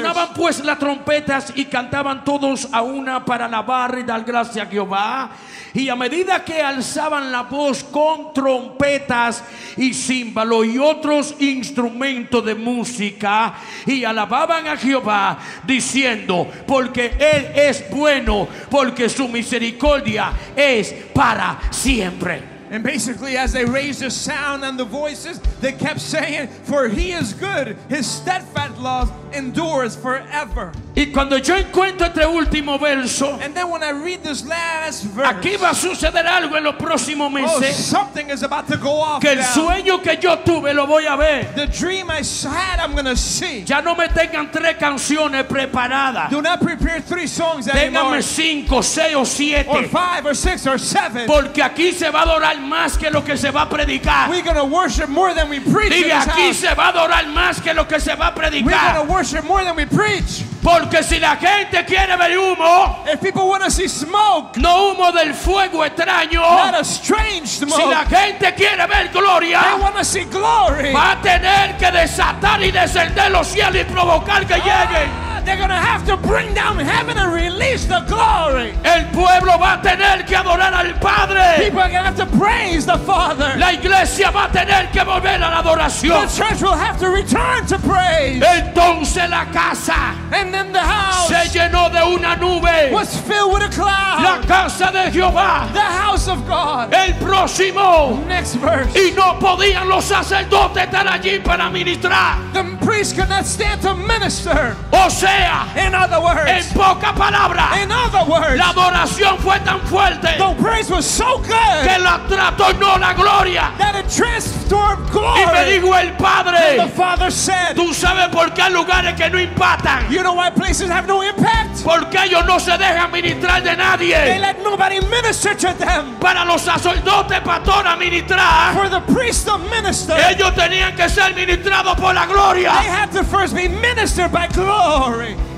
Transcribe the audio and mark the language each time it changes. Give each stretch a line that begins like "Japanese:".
Spanish: Sonaban pues las trompetas y cantaban todos a una para alabar y dar gracias a Jehová, y a medida que alzaban la voz con trompetas y címbalo y otros instrumentos de música y alababan a Jehová diciendo: porque Él es bueno, porque su misericordia es para siempre.
English: And basically, as they raised the sound and the voices, they kept saying, for he is good, his steadfast love endures forever.
Spanish: Y cuando yo encuentro este último verso,
English: and then when I read this last verse,
Spanish: aquí va a suceder algo en los próximos meses,
English: oh, something is about to go off.
Spanish: Que el sueño que yo tuve lo voy a ver.
English: The dream I had, I'm going to see.
Spanish: Ya no me tengan tres canciones preparadas.
English: Do not prepare three songs anymore.
Spanish: Ténganme cinco, seis o siete.
English: Or five or six or seven.
Spanish: Porque aquí se va a adorar más que lo que se va a predicar.
English: We're going to worship more than we preach.
Spanish: Diga, aquí se va a adorar más que lo que se va a predicar.
English: We're going to worship more than we preach.
Spanish: Porque si la gente quiere ver humo,
English: if people want to see smoke,
Spanish: no humo del fuego extraño,
English: not a strange smoke,
Spanish: si la gente quiere ver gloria,
English: they want to see glory,
Spanish: va a tener que desatar y descender los cielos y provocar que lleguen.
English: They're going to have to bring down heaven and release the glory.
Spanish: El pueblo va a tener que adorar al Padre.
English: People are going to have to praise the Father.
Spanish: La iglesia va a tener que volver a la adoración.
English: The church will have to return to praise.
Spanish: Entonces la casa,
English: and then the house,
Spanish: se llenó de una nube,
English: was filled with a cloud.
Spanish: La casa de Jehová,
English: the house of God.
Spanish: El próximo,
English: next verse,
Spanish: y no podían los sacerdotes estar allí para ministrar.
English: The priest could not stand to minister. In other words,
Spanish: en poca palabra,
English: in other words,
Spanish: la adoración fue tan fuerte,
English: the praise was so good,
Spanish: que la trastornó la gloria,
English: that it transformed glory.
Spanish: Y me dijo el Padre,
English: and the Father said,
Spanish: tú sabes por qué hay lugares que no impactan,
English: you know why places have no impact,
Spanish: porque ellos no se dejan ministrar de nadie,
English: they let nobody minister to them,
Spanish: para los sacerdotes, pastores, ministrar.
English: For the priest to minister.
Spanish: Ellos tenían que ser ministrados por la gloria.
English: They had to first be ministered by glory.